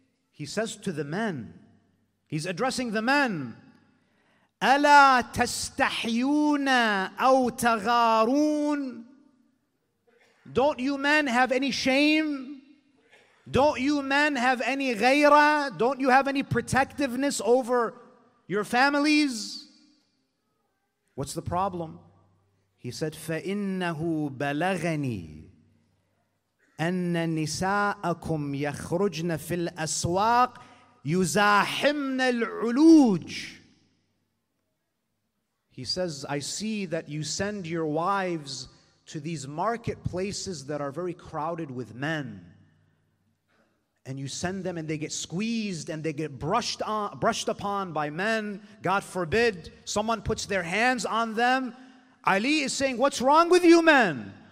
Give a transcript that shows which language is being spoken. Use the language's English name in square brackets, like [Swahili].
[English] He says to the men, he's addressing the men, [Arabic] أَلَا تَسْتَحْيُونَ أَوْ تَغَارُونَ. [English] Don't you men have any shame? Don't you men have any ghayrah? Don't you have any protectiveness over your families? What's the problem? He said, [Arabic] فَإِنَّهُ بَلَغَنِي أَنَّ نِسَاءَكُمْ يَخْرُجْنَ فِي الْأَسْوَاقِ يُزَاحِمْنَ الْعُلُوجِ. [English] He says, I see that you send your wives to these marketplaces that are very crowded with men. And you send them and they get squeezed and they get brushed upon by men. God forbid, someone puts their hands on them. Ali is saying, what's wrong with you men?